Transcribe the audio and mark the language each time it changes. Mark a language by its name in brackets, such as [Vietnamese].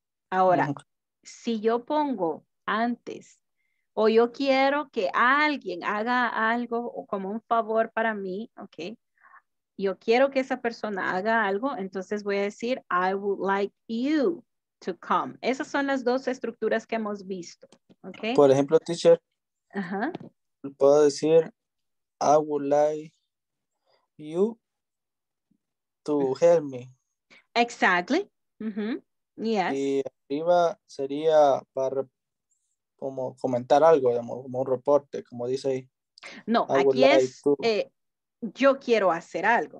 [Spanish] Ahora, si yo pongo antes o yo quiero que alguien haga algo o como un favor para mí, ¿ok? Yo quiero que esa persona haga algo, entonces voy a decir [English] I would like you to come. [Spanish] Esas son las dos estructuras que hemos visto, ¿ok? Por ejemplo, teacher, uh-huh. Puedo decir [English] I would like you to help me. Exactly. Mm-hmm. Yes. [Spanish] Y arriba sería para como comentar algo, digamos, como un reporte, como dice ahí. No, I aquí like es yo quiero hacer algo.